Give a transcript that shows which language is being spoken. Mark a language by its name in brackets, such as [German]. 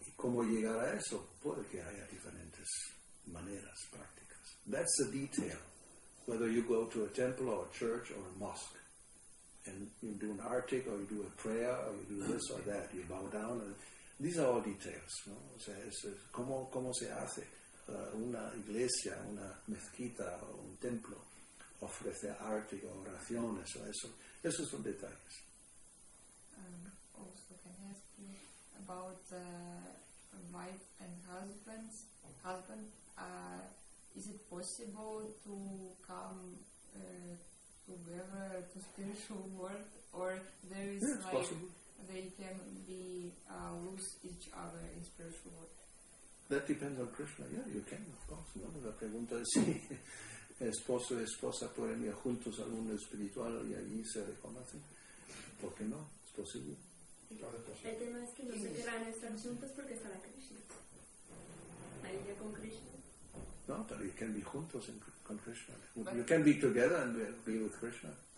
[Spanish] Y cómo llegar a eso, puede que haya diferentes maneras, prácticas. [English] That's the detail, whether you go to a temple or a church or a mosque. And you do an artic, or you do a prayer, or you do this or that. You bow down, and these are all details. No? [Spanish] O sea, es cómo se hace una iglesia, una mezquita, o un templo, ofrece artic, oraciones, o eso. Esos son detalles. [English] Also, can I ask you about wife and husbands? Husband, is it possible to come together to spiritual world, or there is possible. They can be lose each other in spiritual world. That depends on Krishna. Yeah, you can, of course. [Spanish] No, la pregunta es si esposo y esposa pueden ir juntos al mundo espiritual y allí se reconocen. ¿Por qué no? Es posible. El tema es que no se querrán estar juntos porque está la Krishna. Ahí ya con Krishna. [English] No, but you can be [Spanish] juntos con [English] Krishna. But you can be together and be with Krishna.